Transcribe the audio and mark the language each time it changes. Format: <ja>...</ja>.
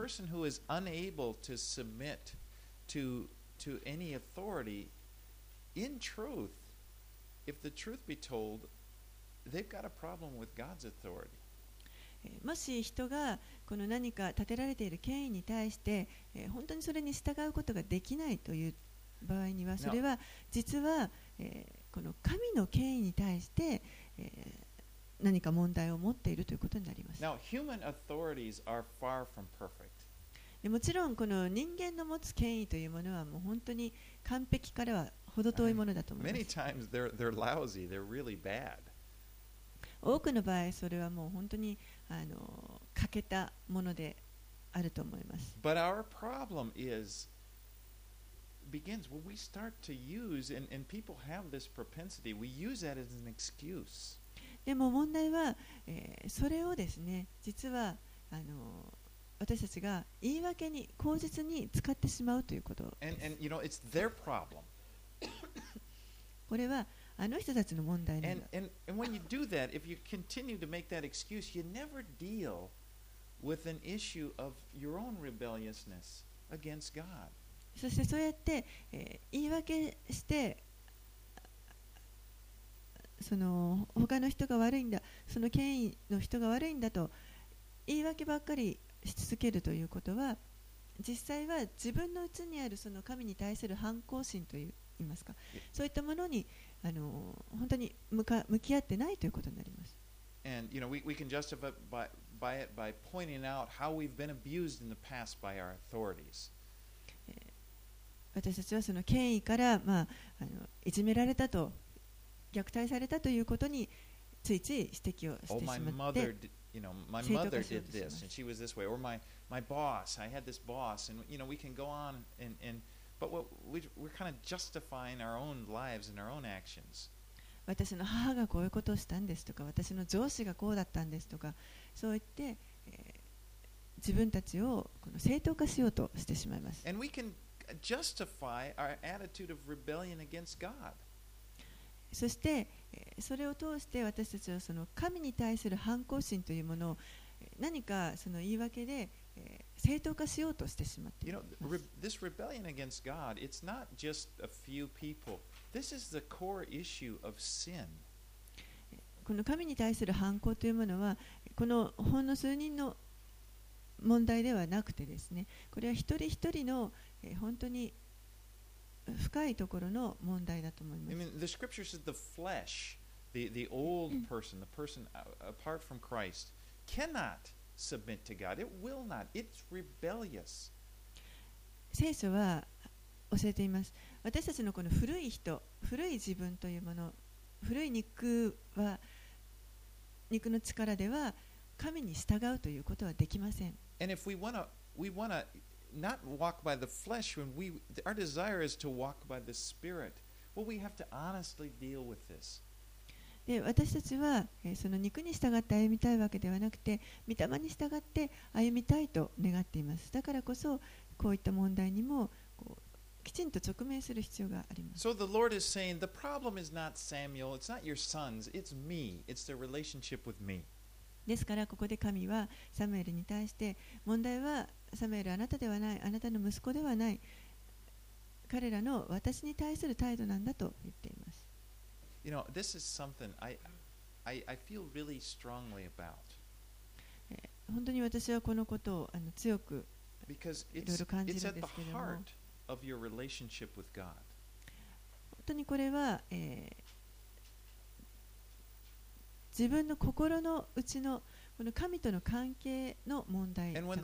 <en>A person who is unable to submit to any authority, in truth, if the truth be told, they've got a problem with God's authority.</en> <ja>もし人がこの何か立てられている権威に対して本当にそれに従うことができないという場合には、それは実はこの神の権威に対して何か問題を持っているということになります。</ja> <en>Now, human authorities are far from perfect.</en> <ja>もちろんこの人間の持つ権威というものはもう本当に完璧からは程遠いものだと思います。</ja> <en>Many times they're lousy, they're really bad.</en> <ja>多くの場合それはもう本当に欠けたものであると思います。</ja> <en>But our problem is begins when we start to use and people have this propensity, we use that as an excuse.</en> <ja>でも問題は、それをですね、実は私たちが言い訳に口実に使ってしまうということです。</ja> <en>And you know, it's their problem.</en> <ja>これはあの人たちの問題なんだ。</ja> <en>And when you do that, if you continue to make that excuse, you never deal with an issue of your own rebelliousness against God.</en> <ja>そしてそうやって、言い訳してその他の人が悪いんだ、その権威の人が悪いんだと言い訳ばっかりし続けるということは、実際は自分のうちにあるその神に対する反抗心といいますか、そういったものに本当に向き合ってないということになります。</ja> <en>And you know, we can justify by it by pointing out how we've been abused in the past by our authorities.</en> <ja>私たちはその権威から、いじめられたと、虐待されたということについつい指摘をしてしまって、</ja> <en>Oh, my mother did, you know, my mother did this and she was this way, or my boss, I had this boss, and you know, we can go on andBut we're kind of justifying our own lives and our own actions.</en> <ja>私の母がこういうことをしたんですとか、私の上司がこうだったんですとか、そう言って、自分たちをこの正当化しようとしてしまいます。</ja> <en>And we can justify our attitude of rebellion against God.</en> <ja>そして、それを通して私たちはその神に対する反抗心というものを何かその言い訳で正当化しようとしてしまっています。</ja> <en>You know, this rebellion against God, it's not just a few people. This is the core issue of sin.</en> <ja>この神に対する反抗というものは、このほんの数人の問題ではなくてですね、これは一人一人の本当に深いところの問題だと思います。</ja> <en>I mean, the scripture says the flesh, the old person, the person apart from Christ, cannot.Submit to God. It will not. It's rebellious.</en> <ja>聖書は教えています。私たちのこの古い人、古い自分というもの、古い肉は、肉の力では神に従うということはできません。</ja> <en>And if we wanna not walk by the flesh, when we, our desire is to walk by the spirit, well, we have to honestly deal with this.</en> <ja>で、私たちはその肉に従って歩みたいわけではなくて、御霊に従って歩みたいと願っています。だからこそこういった問題にもこうきちんと直面する必要があります。</ja> <en>So the Lord is saying the problem is not Samuel, it's not your sons, it's me, it's the relationship with me.</en> <ja>ですからここで神はサムエルに対して、問題はサムエル、あなたではない、あなたの息子ではない、彼らの私に対する態度なんだと言っています。</ja> <en>You know, this is something I feel really strongly about.</en> <ja>本当に私はこのことを強くいろいろ感じるんですけども、</ja> <en>It's at the heart of your relationship with God.</en> <ja>本当にこれは、自分の心のうちのこの神との関係の問題だからです。</ja>